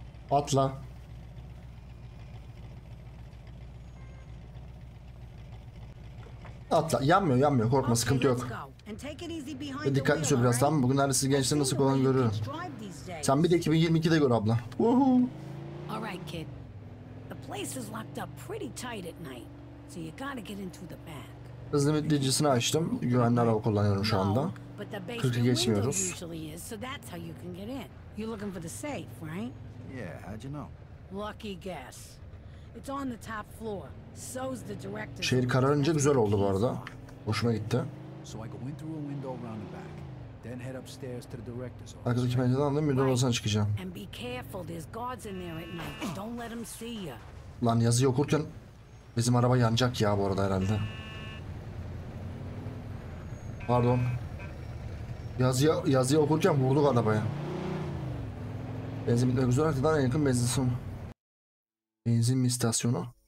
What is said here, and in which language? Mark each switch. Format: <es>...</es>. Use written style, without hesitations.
<tr>Atla. Oh, Atla. Yanmıyor, yanmıyor. Korkma, sıkıntı yok. Ve dikkatli sür biraz, tamam mı? Bugün neredesiniz, gençler nasıl kullanın görürüm. Sen bir de 2022'de gör abla. Woohoo.</tr> <en>All right, kid. The place is locked up pretty tight at night. So you gotta get into the back.</en> <tr>Hızlı mütlecisini açtım. Güvenli araba kullanıyorum şu anda. 40'ı geçmiyoruz.</tr> <en>So that's how you can get in. You're looking for the safe, right? Yeah, how'd you know? Lucky guess. It's on the top floor. So's the director.</en> <tr>Şehir kararınca güzel oldu bu arada. Hoşuma gitti.</tr> <en>So I go in through a window around the back. Then head upstairs to the director's office.</en> <tr>Arkadaki pencereden de müdür odasına çıkacağım.</tr> <en>And be careful, there's guards in there at night. Don't let them see you.</en> <tr>Lan yazıyı okurken bizim araba yanacak ya bu arada herhalde. Pardon. Yazıyı okurken vurduk arabaya. Benzin bitmek üzere, artık daha en yakın benzin son. Benzin istasyonu.</tr>